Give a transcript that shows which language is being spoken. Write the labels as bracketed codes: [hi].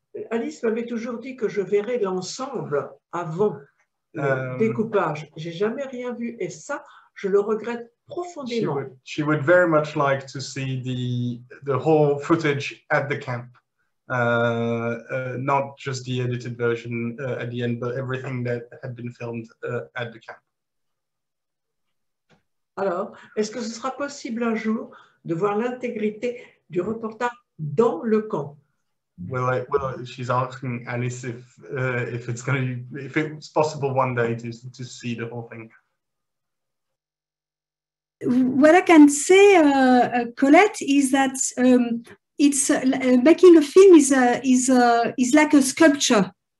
[fr] Alice m'avait toujours dit que je verrais l'ensemble avant le découpage. J'ai jamais rien vu et ça, je le regrette profondément. [en] She would very much like to see the whole footage at the camp, not just the edited version at the end, but everything that had been filmed at the camp. [fr] Alors, est-ce que ce sera possible un jour de voir l'intégrité du reportage dans le camp? [en] Well, she's asking Alice if it's possible one day to see the whole thing. What I can say, Colette, is that it's making a film is like a sculpture.